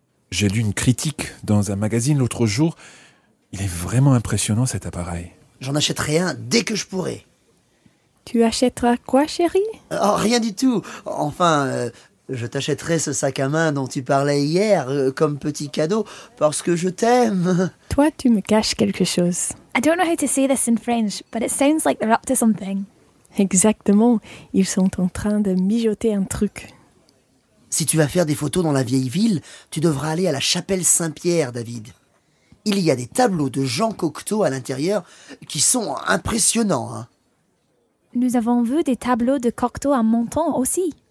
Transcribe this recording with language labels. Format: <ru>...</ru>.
<fr>J'ai lu une critique dans un magazine l'autre jour. Il est vraiment impressionnant cet appareil. J'en achèterai un dès que je pourrai. Tu achèteras quoi, chérie? Oh, rien du tout. Enfin, je t'achèterai ce sac à main dont tu parlais hier comme petit cadeau parce que je t'aime. Toi, tu me caches quelque chose.</fr> <en>I don't know how to say this in French, but it sounds like they're up to something.</en> <fr>Exactement. Ils sont en train de mijoter un truc. Si tu vas faire des photos dans la vieille ville, tu devras aller à la chapelle Saint-Pierre, David. Il y a des tableaux de Jean Cocteau à l'intérieur qui sont impressionnants. Hein. Nous avons vu des tableaux de Cocteau à Menton aussi.</fr>